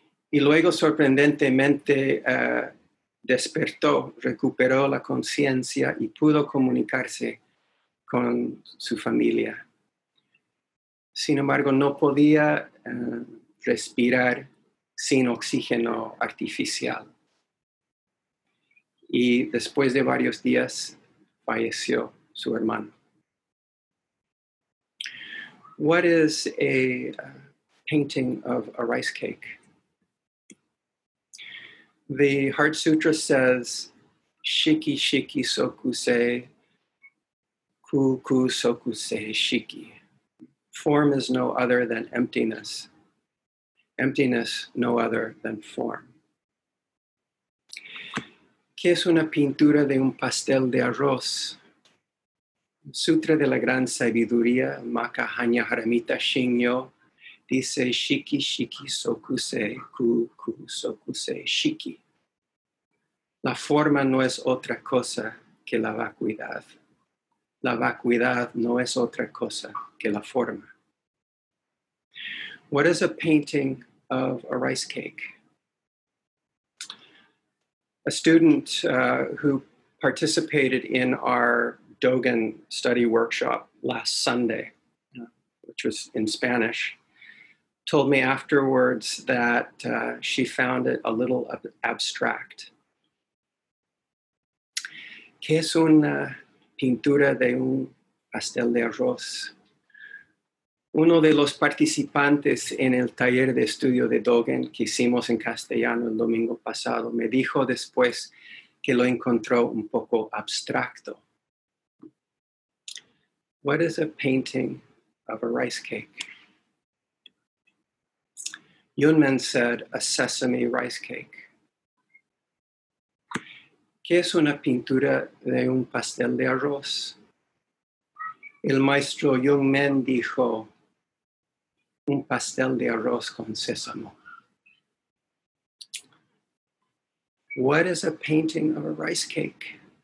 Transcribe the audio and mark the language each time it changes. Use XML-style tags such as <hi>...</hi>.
<es>Y luego, sorprendentemente, despertó, recuperó la conciencia y pudo comunicarse con su familia. Sin embargo, no podía respirar sin oxígeno artificial. Y después de varios días, falleció su hermano.</es> <en>What is a painting of a rice cake? The Heart Sutra says,</en> <ja>shiki shiki sokuse, ku ku sokuse shiki.</ja> <en>Form is no other than emptiness. Emptiness no other than form.</en> <es>¿Qué es una pintura de un pastel de arroz? Sutra de la Gran Sabiduría, Maka Hanya Haramita Shinyo, dice</es> <ja>shiki shiki sokuse, ku ku sokuse shiki.</ja> <es>La forma no es otra cosa que la vacuidad. La vacuidad no es otra cosa que la forma.</es> <en>What is a painting of a rice cake? A student who participated in our Dogen study workshop last Sunday, which was in Spanish, told me afterwards that she found it a little abstract.</en> <es>¿Qué es una pintura de un pastel de arroz? Uno de los participantes en el taller de estudio de Dogen que hicimos en castellano el domingo pasado me dijo después que lo encontró un poco abstracto.</es> <en>What is a painting of a rice cake? Yunmen said, a sesame rice cake.</en> <es>¿Qué es una pintura de un pastel de arroz? El maestro Yunmen dijo, un pastel de arroz con sésamo.</es> <en>What is a painting of a rice cake?</en>